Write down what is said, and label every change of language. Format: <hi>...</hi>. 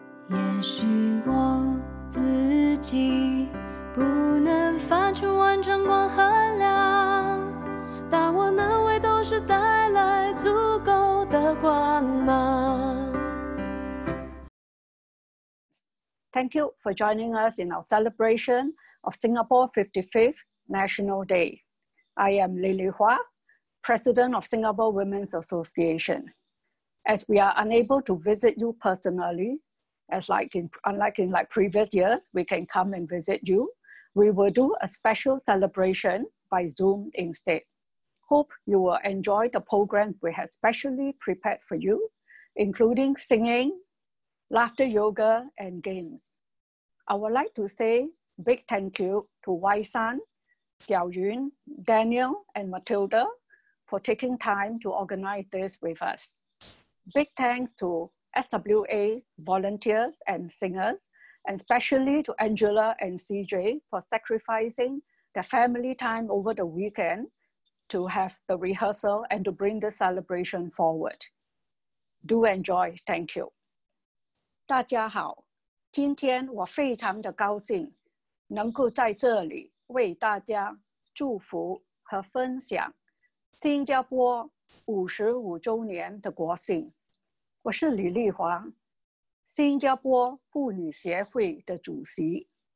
<zh>也许我自己不能发出完整光和亮，但我能为都市带来足够的光芒。</zh> <en>Thank you for joining us in our celebration of Singapore 55th National Day. I am Lily Hua, President of Singapore Women's Association. As we are unable to visit you personally, unlike in previous years, we can come and visit you, we will do a special celebration by Zoom instead. Hope you will enjoy the program we have specially prepared for you, including singing, laughter yoga, and games. I would like to say big thank you to Wai San, Xiao Yun, Daniel, and Matilda for taking time to organize this with us. Big thanks to SWA volunteers and singers, and especially to Angela and CJ for sacrificing their family time over the weekend to have the rehearsal and to bring the celebration forward. Do enjoy. Thank you.</en> <zh>大家好，今天我非常的高兴能够在这里为大家祝福和分享新加坡55周年的国庆。我是李丽华，新加坡妇女协会的主席。</zh>